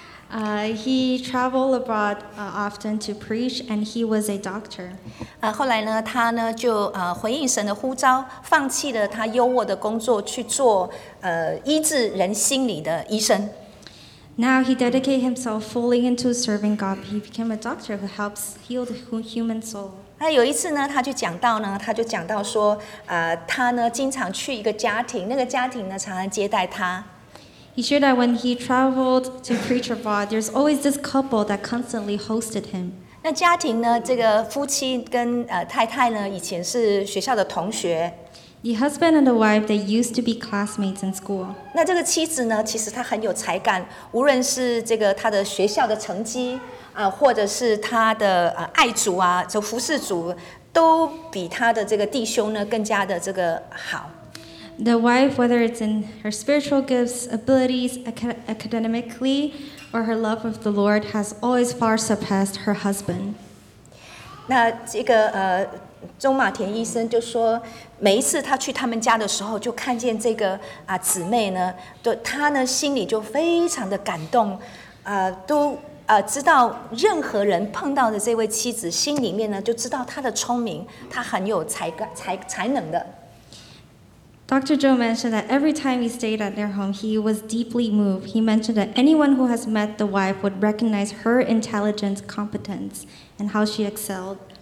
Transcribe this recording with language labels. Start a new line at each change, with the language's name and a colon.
English: He traveled abroad often to preach, and he was a doctor.
Chinese: 后来呢，他呢就回应神的呼召，放弃了他优渥的工作，去做医治人心理的医生。
English: Now he dedicated himself fully into serving God. He became a doctor who helps heal the human soul.
Chinese: 有一次呢，他就讲到说，他呢经常去一个家庭，那个家庭呢常常接待他。
English: He shared that when he traveled to preach abroad, there's always this couple that constantly hosted him.
Chinese: 那家庭呢？这个夫妻跟太太呢，以前是学校的同学。
English: The husband and the wife, they used to be classmates in school.
Chinese: 那这个妻子呢？其实她很有才干，无论是这个她的学校的成绩啊，或者是她的爱主啊，就服侍主，都比她的这个弟兄呢更加的这个好。
English: The wife, whether it's in her spiritual gifts, abilities, academically, or her love of the Lord, has always far surpassed her husband.
Chinese: 那这个钟马田医生就说，每一次他去他们家的时候，就看见这个姊妹呢，都他呢心里就非常的感动，都知道任何人碰到的这位妻子，心里面呢就知道她的聪明，她很有才能的。
English: Dr. Joe mentioned that every time he stayed at their home, he was deeply moved. He mentioned that anyone who has met the wife would recognize her intelligence, competence, and how she excelled.